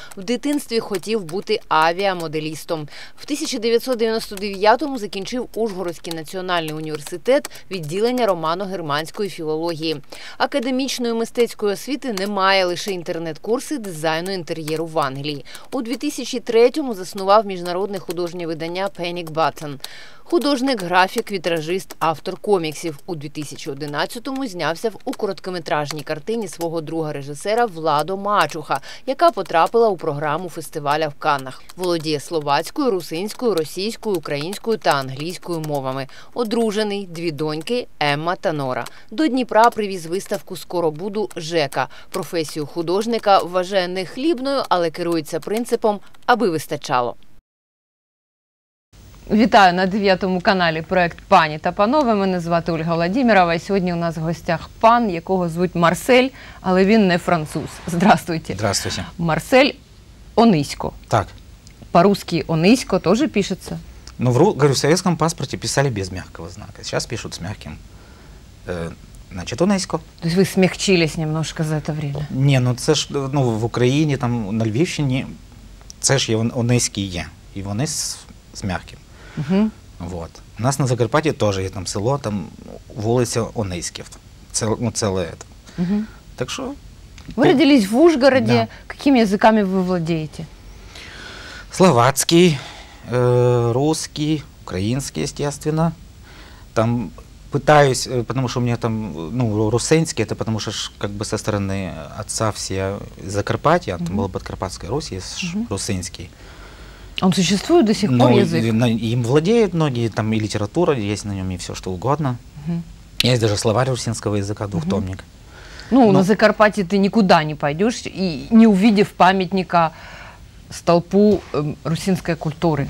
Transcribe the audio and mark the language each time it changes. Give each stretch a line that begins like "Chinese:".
Ukrainian: В дитинстві хотів бути авіамоделістом. В 1999-му закінчив Ужгородський національний університет відділення романо-германської філології. Академічної мистецької освіти немає, лише інтернет-курси дизайну інтер'єру в Англії. У 2003-му заснував міжнародне художнє видання «Panic Button». Художник, графік, вітражист, автор коміксів. У 2011-му знявся у короткометражній картині свого друга режисера Владо Мачуха, яка потрапила у програму фестиваля в Каннах. Володіє словацькою, русинською, російською, українською та англійською мовами. Одружений, дві доньки – Емма та Нора. До Дніпра привіз виставку «Скоро буду» Жека. Професію художника вважає не хлібною, але керується принципом «аби вистачало». Вітаю на 9-му каналі проект «Пані та панове». Мене звати Ольга Владимирова. Сьогодні у нас в гостях пан, якого звуть Марсель, але він не француз.
Russian: Здравствуйте. Здравствуйте.
Ukrainian: Марсель Онисько. Так. По-русски Онисько теж пишеться? Ну, говорю,
Russian: в советском
Ukrainian: паспорті писали без м'якого знака. Зараз пишуть з м'яким. Значит, Онисько.
Russian: То есть ви смягчились немножко за это время?
Ukrainian: Ні, ну це ж ну, в Україні, там, на Львівщині, це ж є Ониський є. І вони з м'яким. Угу.
Russian: Вот.
Ukrainian: У нас на Закарпатті теж є там село, там вулиця Онисків. Ну, угу. Так що. Ви родились в Ужгороді. Якими язиками ви володієте? Словацький, русский, український, звісно. Там питаюсь, тому що у мене там ну, русинський, це тому що ж
Russian: как бы со стороны отца все
Ukrainian: Закарпаття, угу. Там було Подкарпатська Русь, є угу. Русинський.
Russian: Он существует до сих пор язык? Им владеют многие, там и литература есть на нем, и все что угодно. Угу. Есть даже словарь русинского языка, двухтомник. Ну, но... на Закарпатье ты никуда не пойдешь, и не увидев памятника столпу русинской культуры.